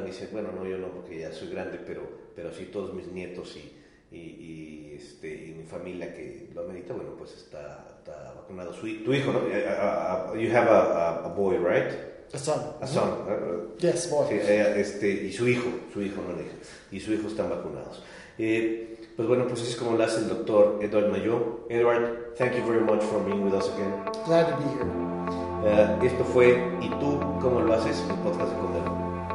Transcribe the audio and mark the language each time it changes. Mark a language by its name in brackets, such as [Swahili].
[Spanish] Me dice, bueno, no, yo no, porque ya soy grande, pero sí todos mis nietos y mi familia que lo amerita, bueno, pues está vacunado. Tu hijo, ¿no? [English] You have a boy, right? A son. Mm-hmm. Yes, boy. [Spanish] Sí, y su hijo, no le dije, y su hijo están vacunados. Pues bueno, pues así es como lo hace el doctor Edward Mayor. [English] Edward, thank you very much for being with us again. Glad to be here. [Spanish] Esto fue ¿Y tú cómo lo haces? Un podcast de Comedor.